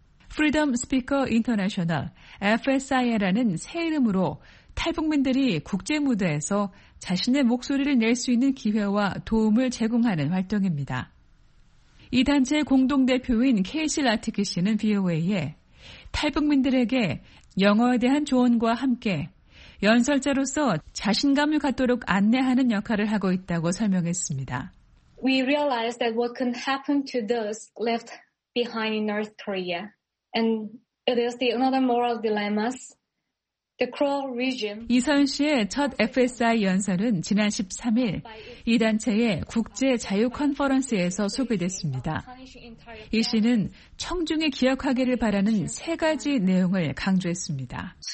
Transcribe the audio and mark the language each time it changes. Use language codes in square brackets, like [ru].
[ko] Freedom Speaker International, FSIR라는 새 이름으로 탈북민들이 국제무대에서 자신의 목소리를 낼 수 있는 기회와 도움을 제공하는 활동입니다. 이 단체의 공동대표인 케이시 라티키 씨는 VOA에 탈북민들에게 영어에 대한 조언과 함께 연설자로서 자신감을 갖도록 안내하는 역할을 하고 있다고 설명했습니다. [en] We realized that what can happen to those left behind in North Korea. And it is another moral dilemma. The cruel regime. [ko] 이선 씨의 첫 FSI 연설은 지난 13일 이 단체의 국제 자유 컨퍼런스에서 소개됐습니다. 이 씨는 청중이 기억하기를 바라는 세 가지 내용을 강조했습니다.